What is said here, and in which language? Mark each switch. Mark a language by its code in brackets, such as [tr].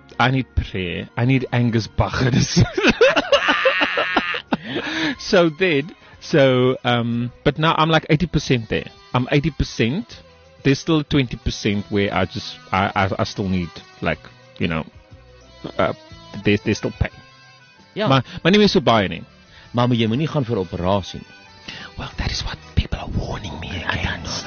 [en] I need prayer. I need Angus Bachers. But now I'm like 80% there. I'm 80%. There's still 20% where I still need, like, you know, there's still pain. Yeah. My name is Subai, nie. [af] Mama, jy moet nie gaan vir operasie nie. [en] Well, that is what people are warning me against.